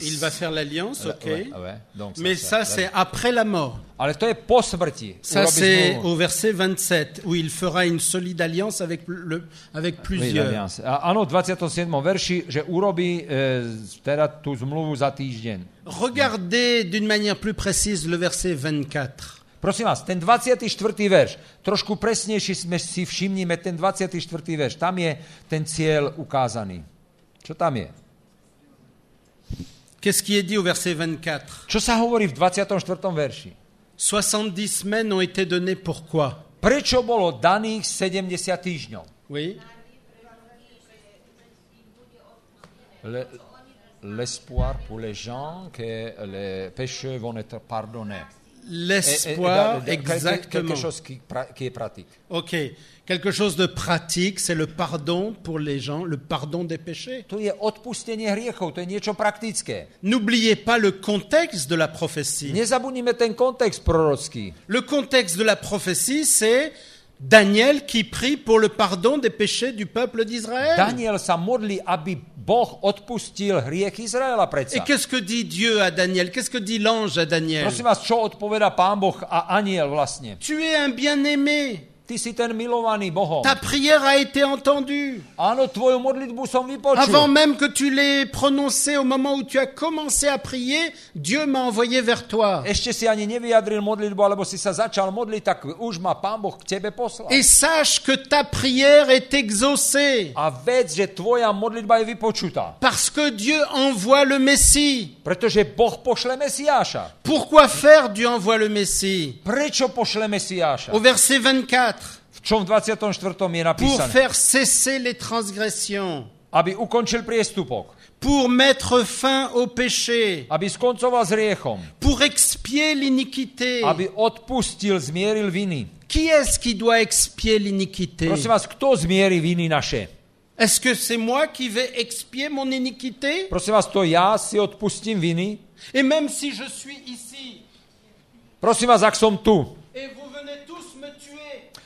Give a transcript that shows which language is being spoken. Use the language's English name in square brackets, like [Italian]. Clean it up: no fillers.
[French] Il va faire l'alliance, ok. Ouais. Donc, mais ça, c'est après la mort. [Slovak] Ale to je po smrti. [French] Ça, c'est au verset 27, où il fera une solide alliance avec plusieurs. [Slovak] Ano, 27. verši, že urobí teda tú zmluvu za týždeň. [French] Regardez d'une manière plus précise le verset 24. [Slovak] Prosím vás, ten 24. verš, trošku presnejší sme si všimnime, ten 24. verš, tam je ten cieľ ukázaný. Čo tam je? [French] Qu'est-ce qui est dit au verset 24? [Slovak] Čo sa hovorí v 24. verši? [French] 70 semaines ont été données pourquoi? [Slovak] Prečo bolo daných 70 týždňov? [French] Oui. L'espoir pour les gens que les pécheurs vont être pardonnés. L'espoir, exactement. Quelque chose qui est pratique. OK. Quelque chose de pratique, c'est le pardon pour les gens, le pardon des péchés. [Slovak] To je odpustenie hriechov, to je niečo praktické. [French] N'oubliez pas le contexte de la prophétie. [Slovak] Nezabudnime ten kontext prorocký. [French] Le contexte de la prophétie, c'est Daniel qui prie pour le pardon des péchés du peuple d'Israël. [Slovak] Daniel sa modlí, aby Boh odpustil hriech Izraela predsa. [French] Et qu'est-ce que dit Dieu à Daniel? Qu'est-ce que dit l'ange à Daniel? [Slovak] Prosím vás, čo odpovedá Pán Boh a aniel vlastne? [French] Tu es un bien-aimé. [Slovak] Ty si ten milovaný Bohom. [French] Ta prière a été entendue. [Slovak] Áno, tvoju modlitbu som vypočul. [French] Avant même que tu l'aies prononcé au moment où tu as commencé à prier, Dieu m'a envoyé vers toi. [Slovak] Ešte si ani nevyjadril modlitbu, alebo si sa začal modliť, tak už ma Pán Boh k tebe poslal. [French] Et sache que ta prière est exaucée. [Slovak] A vedz, že tvoja modlitba je vypočutá. [French] Parce que Dieu envoie le Messie. [Slovak] Pretože Boh pošle Mesiáša. [French] Pourquoi faire Dieu envoie le Messie? [Slovak] Prečo pošle Mesiáša? [French] Au verset 24. [Slovak] V čom 24. Je napísané? [French] Pour faire cesser les transgressions. [Slovak] Aby ukončil priestupok. [French] Pour mettre fin au péché. [Slovak] Aby skoncoval s hriechom. [French] Pour expier l'iniquité. [Slovak] Aby odpustil, zmieril viny. [French] Qui est-ce qui doit expier l'iniquité? [Slovak] Prosím vás, kto zmierí viny naše? [French] Est-ce que c'est moi qui vais expier mon iniquité? [Slovak] Prosím vás, to ja si odpustím viny? [French] Et même si je suis ici. [Slovak] Prosím vás, ak som tu. [French] Et vous venez tous me tuer.